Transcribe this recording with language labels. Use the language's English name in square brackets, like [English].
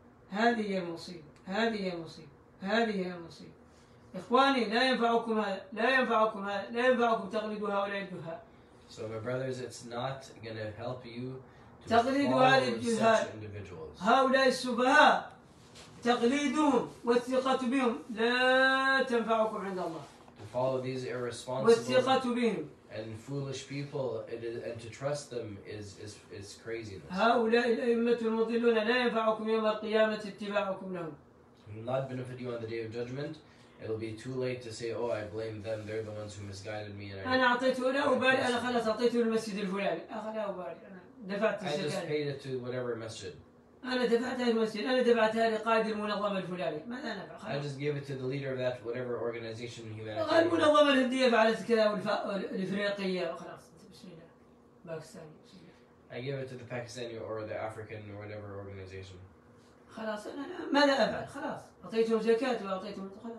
[Arabic] هذه هي مصيبة هذه هي مصيبة هذه هي مصيبة اخواني لا ينفعكم لا ينفعكم لا ينفعكم تغلبوا هؤلاء الجهاء [English] So my brothers, it's not going to help you to follow such individuals. [Arabic] هؤلاء السفهاء تقليدهم والثقة بهم لا تنفعكم عند الله. [English] To follow these irresponsible [Arabic] والثقة بهم [English] and foolish people it is, and to trust them is craziness. [Arabic] هؤلاء الأئمة المضلون لا ينفعكم يوم القيامة اتباعكم لهم. [English] Will not benefit you on the day of judgment. It'll be too late to say, "Oh, I blame them. They're the ones who misguided me." [Arabic] أنا أعطيته لا أبالي أنا خلاص أعطيته المسجد الفلاني أخلي أبالي أنا دفعت [English] الزكاة. I just paid it to whatever masjid. [Arabic] أنا دفعت هذا المسجد أنا دفعتها لقائد المنظمة الفلاني ماذا أنا [English] بخلي؟ I just gave it to the leader of that whatever organization he managed. [Arabic] قال المنظمة الهندية فعلت كذا والإفريقية وخلاص بسم الله باكستاني. [English] I gave it to the Pakistani or the African or whatever organization. [Arabic] خلاص أنا ماذا أفعل خلاص أعطيتهم زكاة وأعطيتهم